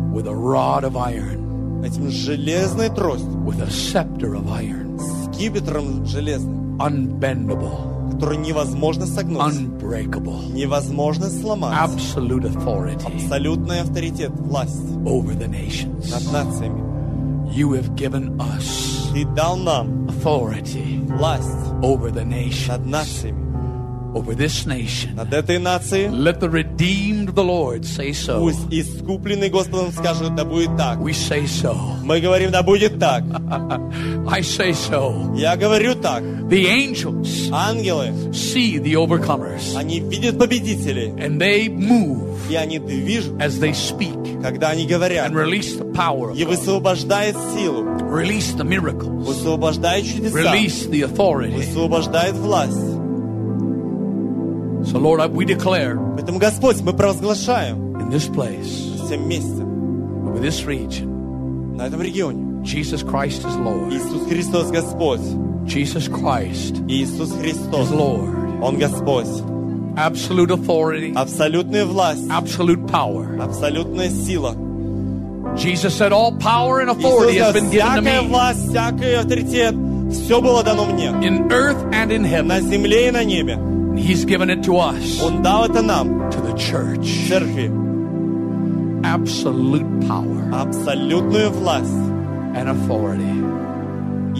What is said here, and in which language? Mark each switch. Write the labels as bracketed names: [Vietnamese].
[English] With a rod of iron. [Russian] Этим железной тростью. [English] With a scepter of iron. [Russian] Скипетром железным. [English] Unbendable. [Russian] Который невозможно согнуть. [English] Unbreakable. [Russian] Невозможно сломать. [English] Absolute authority. [Russian] Абсолютный авторитет, власть. [English] Over the nations. [Russian] Над нациями. [English] You have given us authority over the nations, over this nation. Let the redeemed of the Lord say so. [Russian] Пусть искупленный Господом скажет, да будет так. [English] We say so. [Russian] Мы говорим, да будет так. [English] I say so. [Russian] Я говорю так. [English] The angels, [Russian] ангелы, [English] see the overcomers. [Russian] Они видят победителей. [English] And they move. [Russian] И они движутся, [English] as they speak, [Russian] когда они говорят, [English] and release the power of God. [Russian] И высвобождает силу, [English] release the miracles, [Russian] высвобождает чудеса, [English] release the authority, [Russian] высвобождает власть. [English] So Lord, we declare, [Russian] поэтому Господь, мы провозглашаем, [English] in this place, [Russian] в этом месте, [English] over this region, [Russian] на этом регионе, [English] Jesus Christ is Lord. [Russian] Иисус Христос Господь. [English] Jesus Christ, [Russian] Иисус Христос, [English] is Lord. [Russian] Он Господь. [English] Absolute authority. [Russian] Абсолютная власть. [English] Absolute power. [Russian] Абсолютная сила. [English] Jesus said, "All power and authority has been given to me." [Russian] Всякая власть, всякий авторитет, все было дано мне. [English] In earth and in heaven. [Russian] На земле и на небе. [English] He's given it to us. [Russian] Он дал это нам. [English] To the church. [Russian] Церкви. [English] Absolute power. [Russian] Абсолютную власть. [English] And authority.